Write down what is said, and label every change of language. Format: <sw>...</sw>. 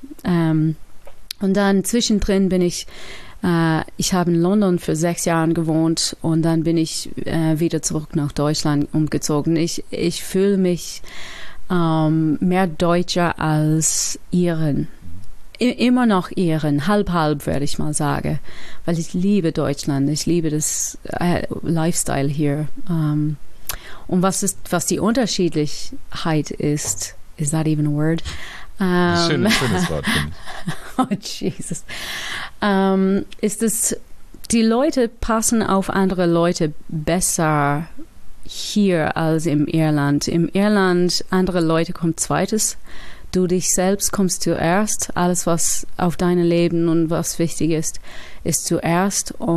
<de>Und dann zwischendrin bin ich ich habe in London für 6 Jahre gewohnt und dann bin ich wieder zurück nach Deutschland umgezogen. Ich fühle mich mehr Deutscher als Iren. Immer noch Iren, halb, würde ich mal sagen, weil ich liebe Deutschland, ich liebe das Lifestyle hier. Und was die Unterschiedlichkeit ist,</de> <en>is that even a word?</en> <de>Schönes Wort.</de> <en>Oh, Jesus.</en> <de>Ist es, die Leute passen auf andere Leute besser hier als im Irland. Im Irland, andere Leute kommen zweites. Du dich selbst kommst zuerst. Alles, was auf dein Leben und was wichtig ist, ist zuerst.</de>